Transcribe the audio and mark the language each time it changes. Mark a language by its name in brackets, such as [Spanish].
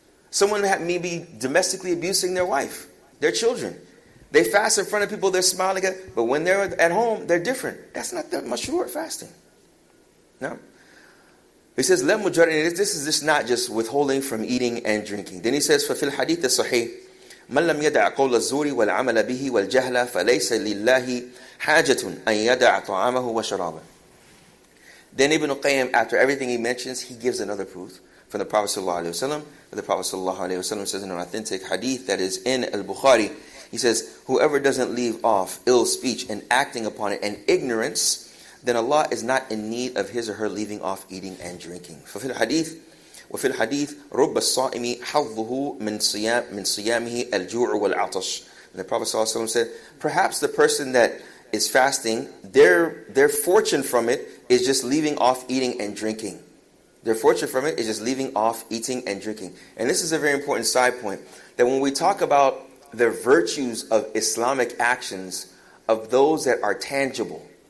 [English] Someone may be domestically abusing their wife, their children. They fast in front of people, they're smiling at, but when they're at home, they're different. That's not the mashrur fasting. No. He says, [Arabic] لَمْ مُجَرْنِ. [English] This is just not just withholding from eating and drinking. Then he says, [Arabic] فَفِي الْحَدِيثِ الصَّحِيحِ مَنْ لَمْ يَدَعْ قَوْلَ الزُّورِ وَالْعَمَلَ بِهِ وَالْجَهْلَ فَلَيْسَ لِلَّهِ حَاجَةٌ أَنْ يَدَعْ طَعَامَهُ وَشَرَابًا. [English] Then Ibn Qayyim, after everything he mentions, he gives another proof from the Prophet ﷺ. The Prophet ﷺ says in an authentic hadith that is in Al-Bukhari, He says, whoever doesn't leave off ill speech and acting upon it and ignorance, then Allah is not in need of his or her leaving off eating and drinking. [Arabic] وفي الحديث رب الصائم حظه من صيام من صيامه الجوع والعطش. [English] And the Prophet ﷺ said, perhaps the person that is fasting, their fortune from it is just leaving off eating and drinking. Their fortune from it is just leaving off eating and drinking. And this is a very important side point, that when we talk about the virtues of Islamic actions, of those that are tangible.